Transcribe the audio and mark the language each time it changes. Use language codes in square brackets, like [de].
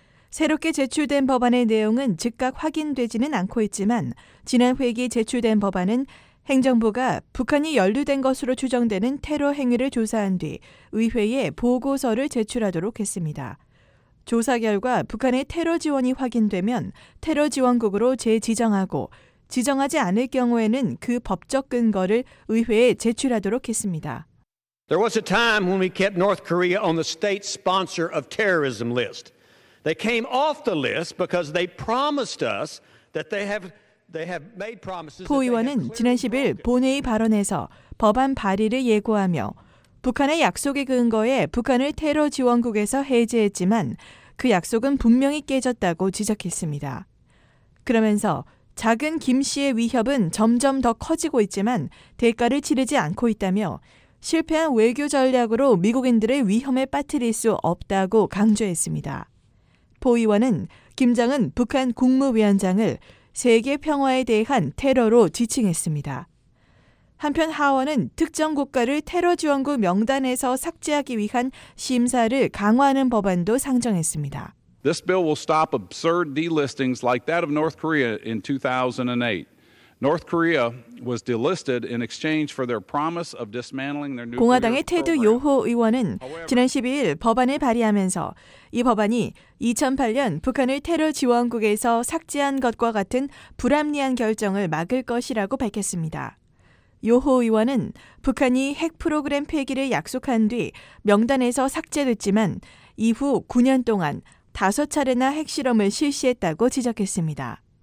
[ko] 새롭게 제출된 법안의 내용은 즉각 확인되지는 않고 있지만 지난 회기 제출된 법안은 행정부가 북한이 연루된 것으로 추정되는 테러 행위를 조사한 뒤 의회에 보고서를 제출하도록 했습니다. 조사 결과 북한의 테러 지원이 확인되면 테러 지원국으로 재지정하고 지정하지 않을 경우에는 그 법적 근거를 의회에 제출하도록 했습니다. [en] There was a time when we kept North Korea on the state sponsor of terrorism list. They came off the list because they promised us that they have made promises. [ko] 포 의원은 지난 10일 본회의 발언에서 법안 발의를 예고하며 북한의 약속에 근거해 북한을 테러 지원국에서 해제했지만 그 약속은 분명히 깨졌다고 지적했습니다. 그러면서 작은 김 씨의 위협은 점점 더 커지고 있지만 대가를 치르지 않고 있다며 실패한 외교 전략으로 미국인들을 위험에 빠뜨릴 수 없다고 강조했습니다. 포 의원은 김정은 북한 국무위원장을 세계 평화에 대한 테러로 지칭했습니다. 한편 하원은 특정 국가를 테러 지원국 명단에서 삭제하기 위한 심사를 강화하는 법안도 상정했습니다. [en] This bill will stop absurd delistings like that of North Korea in 2008. North Korea was delisted in exchange for their promise of dismantling their nuclear [ko] 공화당의 테드 요호 의원은 지난 12일 법안을 발의하면서 이 법안이 2008년 북한을 테러 지원국에서 삭제한 것과 같은 불합리한 결정을 막을 것이라고 밝혔습니다. 요호 의원은 북한이 핵 프로그램 폐기를 약속한 뒤 명단에서 삭제됐지만 이후 9년 동안 5차례나 핵실험을 실시했다고 지적했습니다.